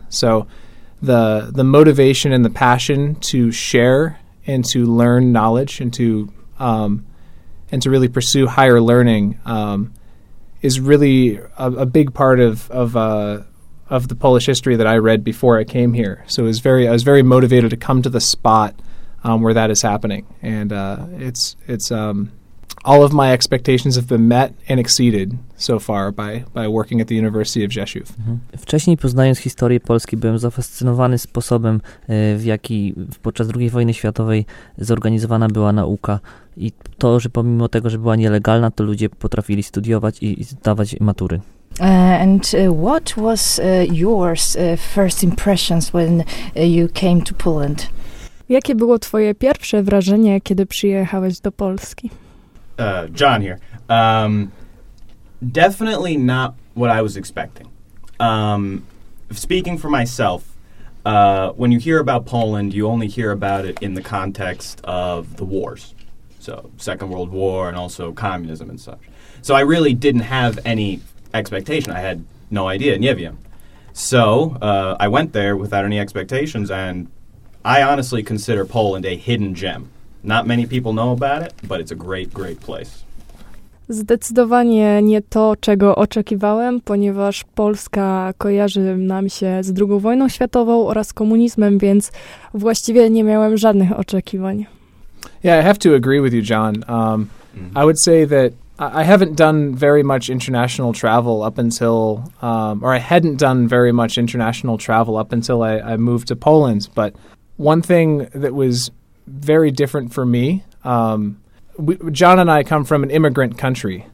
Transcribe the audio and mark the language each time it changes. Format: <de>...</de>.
<en>So the motivation and the passion to share and to learn knowledge and to really pursue higher learning is really a big part of the Polish history that I read before I came here. So I was very motivated to come to the spot where that is happening, and it's all of my expectations have been met and exceeded so far by working at the University of Rzeszów.</en> <pl>Wcześniej, poznając historię Polski, byłem zafascynowany sposobem, w jaki podczas II wojny światowej zorganizowana była nauka i to, że pomimo tego, że była nielegalna, to ludzie potrafili studiować i zdawać matury.</pl> <en>What was yours first impressions when you came to Poland?</en> <pl>Jakie było twoje pierwsze wrażenie, kiedy przyjechałeś do Polski?</pl> <en>John here. Definitely not what I was expecting. Speaking for myself, when you hear about Poland, you only hear about it in the context of the wars. So Second World War and also communism and such. So I really didn't have any expectation. I had no idea.</en> <pl>Nie wiem.</pl> <en>So I went there without any expectations, and I honestly consider Poland a hidden gem. Not many people know about it, but it's a great, great place.</en> <pl>Zdecydowanie nie to, czego oczekiwałem, ponieważ Polska kojarzy nam się z II wojną światową oraz komunizmem, więc właściwie nie miałem żadnych oczekiwań.</pl> <en>Yeah, I have to agree with you, John. I would say that I haven't done very much international travel up until I moved to Poland. But one thing that was very different for me, John and I come from an immigrant country.</en>